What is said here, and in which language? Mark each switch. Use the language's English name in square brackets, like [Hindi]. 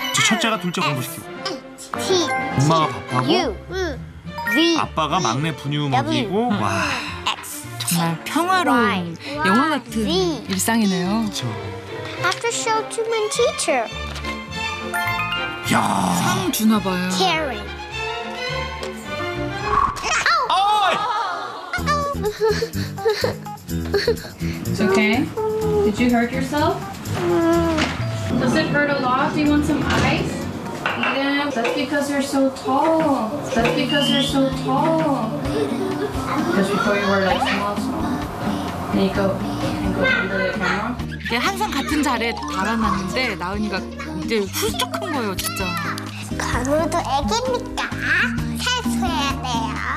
[Korean] 저 첫째가 둘째 공부시키고. [English] T. [Korean] 엄마가 바빠고. [English] U. V. [Korean] 아빠가 막내 분유 먹이고. 와. [English] X. [Korean] 정말 평화로운 영화 같은 일상이네요. 저. [English] After show to my teacher. [Korean] 야. 상 주나 봐요. [English] Karen. [Korean] 어이. [English] It's okay. Did you hurt yourself? Does it hurt a lot? Do you want some ice? Yeah. That's because you're so tall. That's because you're so tall. Because before you were like small, small. There you go. And go under the camera. [Korean] 항상 같은 자리에 달아났는데 나은이가 이제 훌쩍 큰 거예요, 진짜. 강우도 애기니까 탈수해야 돼요.